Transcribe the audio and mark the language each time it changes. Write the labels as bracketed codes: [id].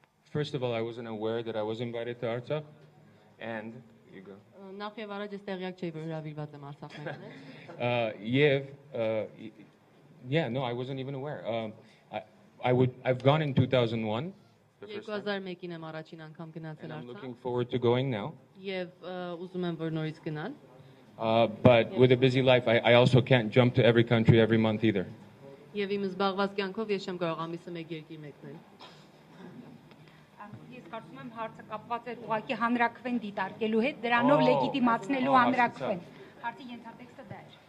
[en] First of all, I wasn't aware that I was invited to Artsakh and [hy] Նախ եւ առաջ ես տեղյակ չէի, որ հրավիրված եմ Արցախ մեկ։ [en] I wasn't even aware. I've gone in 2001. [hy] 2001-ին եմ առաջին անգամ գնացել [en] Արցախ։ I'm looking forward to going now. [hy] Եվ ուզում եմ որ նորից գնալ։ [en] But with a busy life, I also can't jump to every country every month either. [hy] Եվ իմ զբաղված կյանքով ես չեմ կարող ամիսը մեկ երկիր մեկնել։ Ես կարծում եմ հարցը կապված էր ուղղակի հանրակրվեն դիտարկելու հետ, դրանով լեգիտիմացնելու հանրակրվեն։ Հարցի ենթատեքստը դա էր։